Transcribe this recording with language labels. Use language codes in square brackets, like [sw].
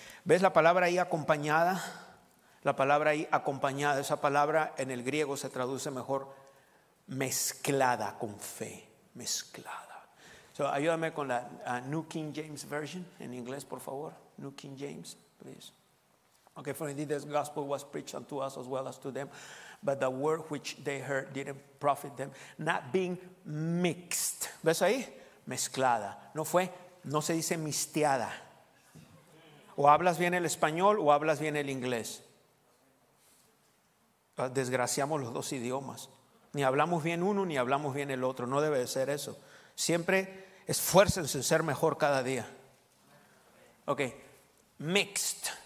[es] ¿Ves la palabra ahí acompañada? La palabra ahí acompañada, esa palabra en el griego se traduce mejor mezclada con fe, mezclada. So, ayúdame con la New King James Version en inglés, por favor. [en] New King James, please. Okay, for indeed this gospel was preached unto us as well as to them, but the word which they heard didn't profit them, not being mixed. [es] ¿Ves ahí? Mezclada. No fue, no se dice mixteada. O hablas bien el español o hablas bien el inglés. Desgraciamos los dos idiomas. Ni hablamos bien uno ni hablamos bien el otro. No debe de ser eso. Siempre esfuércense en ser mejor cada día. Ok. Mixed.